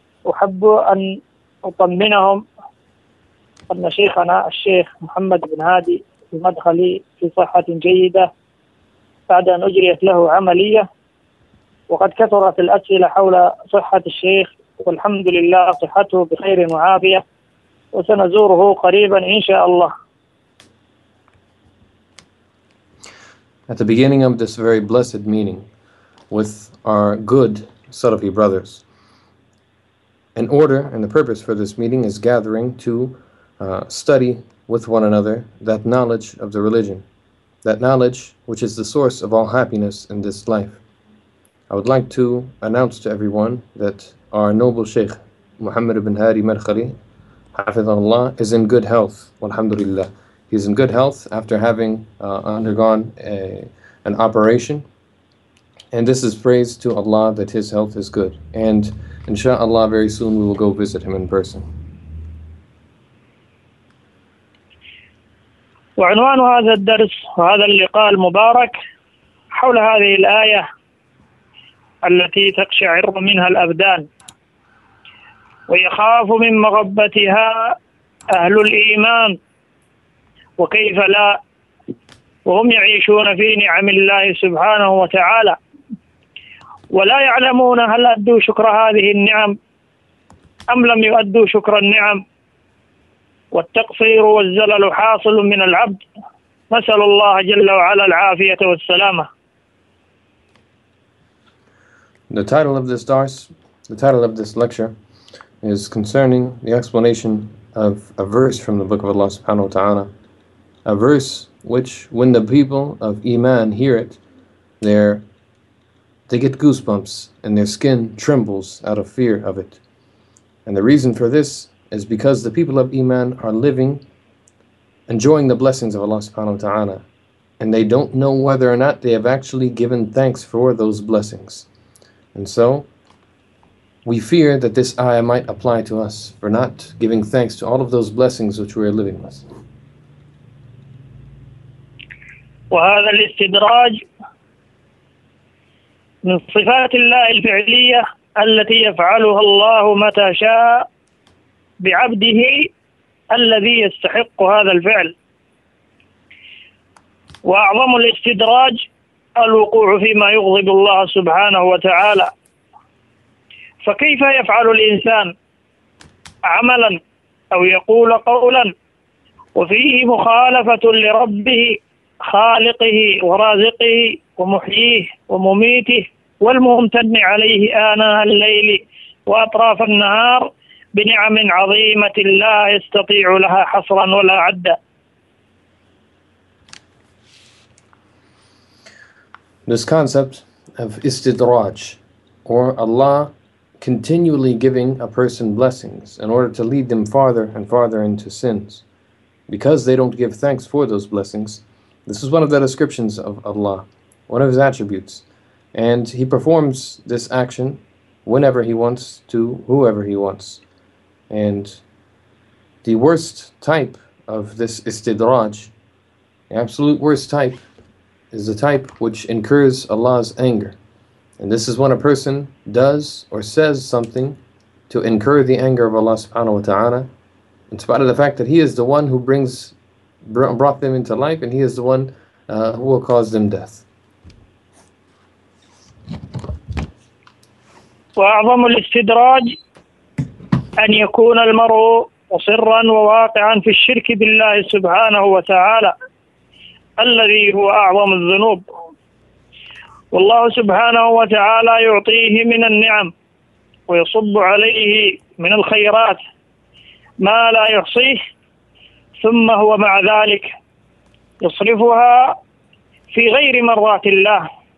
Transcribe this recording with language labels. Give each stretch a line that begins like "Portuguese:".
Arabic: أحب أن أطمنهم أن شيخنا الشيخ محمد بن هادي المدخلي في صحة جيدة بعد أن أجريت له عملية، وقد كثرت الأسئلة حول صحة الشيخ، والحمد لله صحته بخير وعافية، وسنزوره قريبا إن شاء الله.
English: At the beginning of this very blessed meeting with our good Salafi brothers, an order and the purpose for this meeting is gathering to study with one another that knowledge of the religion, that knowledge which is the source of all happiness in this life. I would like to announce to everyone that our noble Sheikh Muhammad ibn Hadi Madkhali, hafizahullah, is in good health, alhamdulillah. He is in good health after having undergone an operation. And this is praise to Allah that his health is good. And inshallah, very soon we will go visit him in person.
Arabic: وعنوان هذا الدرس وهذا اللقاء المبارك حول هذه الآية التي تقشعر منها الأبدان، ويخاف من مغبتها أهل الإيمان، وكيف لا وهم يعيشون في نعم الله سبحانه وتعالى ولا يعلمون هل أدوا شكر هذه النعم أم لم يؤدوا شكر النعم، والتقصير والزلل حاصل من العبد. نسأل الله جل وعلا العافية والسلامة.
English: The title of this darse, the title of this lecture is concerning the explanation of a verse from the book of Allah subhanahu wa ta'ala, a verse which when the people of Iman hear it, they get goosebumps and their skin trembles out of fear of it. And the reason for this is because the people of Iman are living, enjoying the blessings of Allah subhanahu wa ta'ala, and they don't know whether or not they have actually given thanks for those blessings. And so, we fear that this ayah might apply to us for not giving thanks to all of those blessings which we are living with.
Arabic: وهذا الاستدراج من صفات الله الفعلية التي يفعلها الله متى شاء بعبده الذي يستحق هذا الفعل. وأعظم الاستدراج الوقوع فيما يغضب الله سبحانه وتعالى. فكيف يفعل الإنسان عملا أو يقول قولا وفيه مخالفة لربه خالقه ورازقه ومحييه ومميته والممتن عليه آناء الليل وأطراف النهار بنعم عظيمة لا يستطيع لها حصرا ولا عدا؟
English: This concept of istidraj, or Allah continually giving a person blessings in order to lead them farther and farther into sins, because they don't give thanks for those blessings. This is one of the descriptions of Allah, one of His attributes. And He performs this action whenever He wants to, whoever He wants. And the worst type of this istidraj, the absolute worst type, is the type which incurs Allah's anger. And this is when a person does or says something to incur the anger of Allah subhanahu wa ta'ala, in spite of the fact that He is the one who brought them into life, and He is the one who will cause them death.
Arabic: وأعظم الاستدراج أن يكون المرء مصرا وواقعا في الشرك بالله سبحانه وتعالى الذي هو أعظم الذنوب. والله سبحانه وتعالى يعطيه من النعم ويصب عليه من الخيرات ما لا يحصيه، ثم هو مع ذلك يصرفها في غير مرات الله.